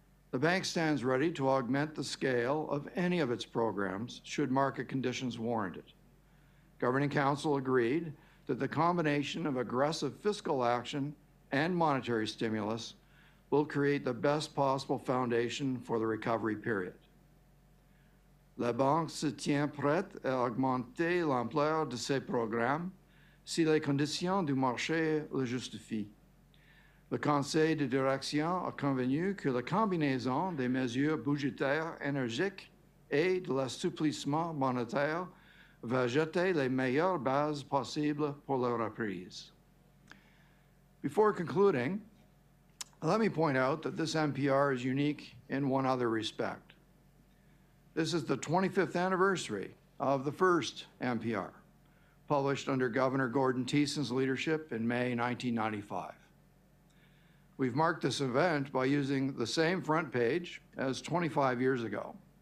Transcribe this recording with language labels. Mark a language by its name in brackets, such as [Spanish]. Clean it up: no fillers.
[English] The bank stands ready to augment the scale of any of its programs should market conditions warrant it. Governing Council agreed that the combination of aggressive fiscal action and monetary stimulus will create the best possible foundation for the recovery period. [French] La banque se tient prête à augmenter l'ampleur de ses programmes si les conditions du marché le justifient. Le conseil de direction a convenu que la combinaison des mesures budgétaires énergiques et de l'assouplissement monétaire va jeter les meilleures bases possibles pour la reprise. [English] Before concluding, let me point out that this NPR is unique in one other respect. This is the 25th anniversary of the first NPR, published under Governor Gordon Thiessen's leadership in May 1995. We've marked this event by using the same front page as 25 years ago.